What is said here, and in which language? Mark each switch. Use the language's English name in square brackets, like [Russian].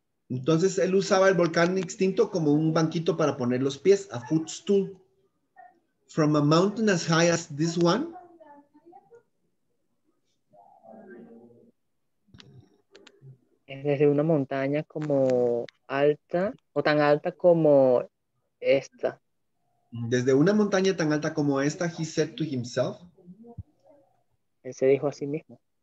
[Spanish] Entonces, él usaba el volcán extinto como un banquito para poner los pies, a footstool. [English] From a mountain as high as this one. [Spanish] Es desde una montaña como alta, o tan alta como esta. Desde una montaña tan alta como esta, [English] he said to himself. [Spanish] Él se dijo a sí mismo.